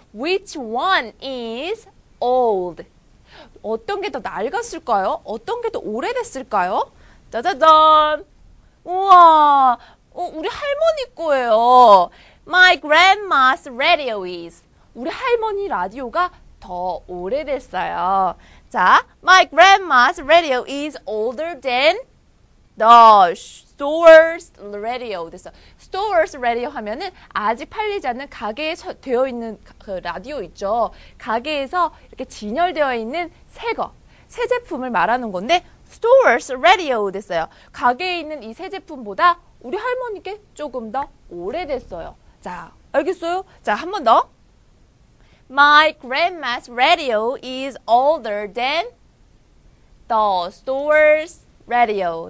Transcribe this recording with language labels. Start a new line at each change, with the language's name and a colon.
English: Which one is old?
Korean: 어떤 게 더 낡았을까요? 어떤 게 더 오래됐을까요? 짜자잔. 우와, 우리 할머니 거예요.
English: My grandma's radio is.
Korean: 우리 할머니 라디오가 더 오래됐어요.
English: 자, My grandma's radio is older than the store's radio.
Korean: 됐어. Store's radio 하면은 아직 팔리지 않는 가게에 되어 있는 그 라디오 있죠. 가게에서 이렇게 진열되어 있는 새 거, 새 제품을 말하는 건데 Store's radio 됐어요. 가게에 있는 이 새 제품보다 우리 할머니께 조금 더 오래됐어요. 자, 알겠어요? 자, 한 번 더.
English: My grandma's radio is older than the store's radio.